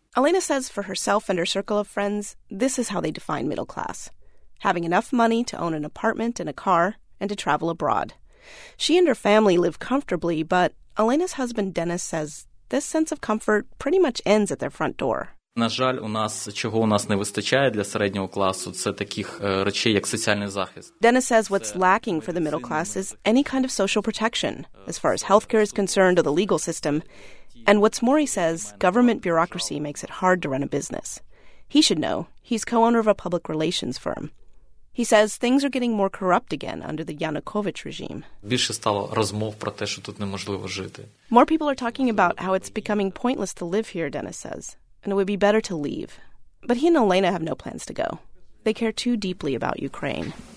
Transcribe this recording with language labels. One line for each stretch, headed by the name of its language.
English: Elena says for herself and her circle of friends, this is how they define middle class. Having enough money to own an apartment and a car and to travel abroad. She and her family live comfortably, but Elena's husband Denis says this sense of comfort pretty much ends at their front door.
Ukrainian: На жаль, у нас чого у нас не вистачає для середнього класу, це таких речей, як соціальний захист.
English: Denis says what's lacking for the middle class is any kind of social protection, as far as healthcare is concerned or the legal system. And what's more, he says, government bureaucracy makes it hard to run a business. He should know. He's co-owner of a public relations firm. He says things are getting more corrupt again under the Yanukovych regime.
Ukrainian: Більше стало розмов про те, що тут неможливо жити.
English: More people are talking about how it's becoming pointless to live here, Denis says, and it would be better to leave. But he and Elena have no plans to go. They care too deeply about Ukraine.